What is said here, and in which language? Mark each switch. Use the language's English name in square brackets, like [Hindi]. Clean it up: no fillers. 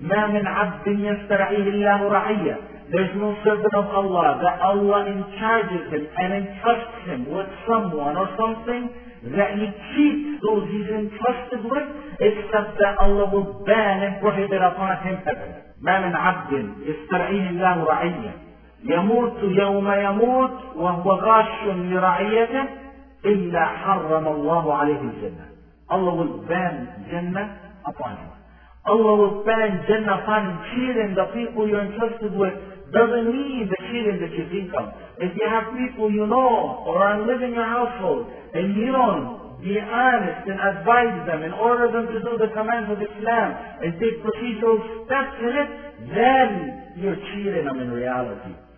[Arabic] مَا مِنْ عَبْدٍ يَسْتَرَعِيهِ اللَّهُ رَعِيَّةً. [English] There's no servant of Allah that Allah in charge of him and entrusts him with someone or something that he cheats those he's entrusted with, except that Allah will ban and prohibit upon him. [Arabic] مَا مِنْ عَبْدٍ يَسْتَرَعِيهِ اللَّهُ رَعِيَّةً يموت يوم يموت وهو غاش لرعيته إلا حرم الله عليه الجنة. [English] Allah will ban Jannah upon him. Allah will ban Jannah upon him. Cheating the people you're entrusted with doesn't mean the cheating that you think of. If you have people you know or are living in your household and you don't be honest and advise them and order them to do the commands of Islam and take procedural steps in it, then you're cheating them in reality.